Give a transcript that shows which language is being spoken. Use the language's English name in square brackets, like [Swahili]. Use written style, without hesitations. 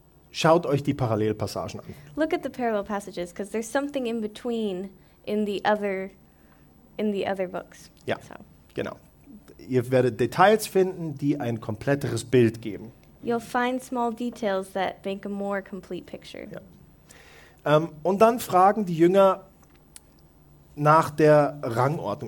[German] Schaut euch die Parallelpassagen an. [English] Look at the parallel passages, because there's something in between in the other books. [German] Ja, so. Genau. Ihr werdet Details finden, die ein kompletteres Bild geben. [English] You'll find small details that make a more complete picture. [German] Ja. Und dann fragen die Jünger nach der Rangordnung.